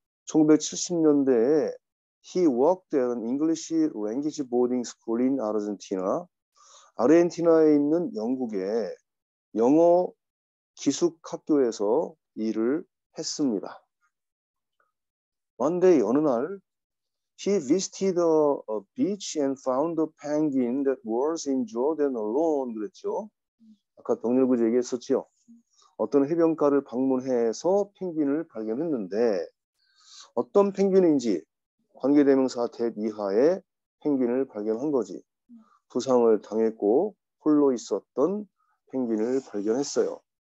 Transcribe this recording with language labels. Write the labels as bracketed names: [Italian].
[English] 1970년대에 he worked at an English language boarding school in Argentina. [Korean] 아르헨티나에 있는 영국의 영어 기숙 학교에서 일을 했습니다. [English] One day, [Korean] 어느 날, [English] he visited a beach and found a penguin that was in Jordan alone. [Korean] 그랬죠. 아까 병렬구제 얘기했었죠. 어떤 해변가를 방문해서 펭귄을 발견했는데 어떤 펭귄인지 관계대명사 that 이하의 펭귄을 발견한 거지. 부상을 당했고 홀로 있었던 펭귄을 발견했어요.